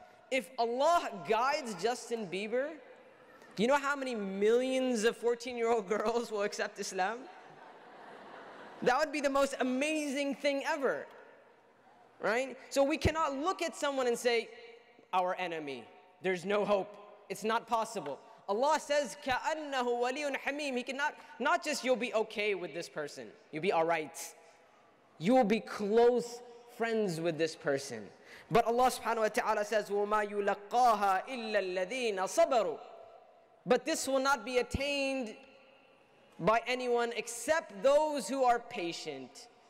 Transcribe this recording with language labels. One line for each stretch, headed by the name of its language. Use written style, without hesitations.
English: If Allah guides Justin Bieber, do you know how many millions of 14-year-old girls will accept Islam? That would be the most amazing thing ever, right? So we cannot look at someone and say, our enemy, there's no hope. It's not possible. Allah says,
Arabic: كَأَنَّهُ وَلِيٌّ حَمِيمٌ.
English: He cannot, not just you'll be okay with this person, you'll be all right. You will be close friends with this person. But Allah subhanahu wa ta'ala says,
Arabic: وَمَا يُلَقَّاهَا إِلَّا الَّذِينَ صَبَرُوا.
English: But this will not be attained by anyone except those who are patient.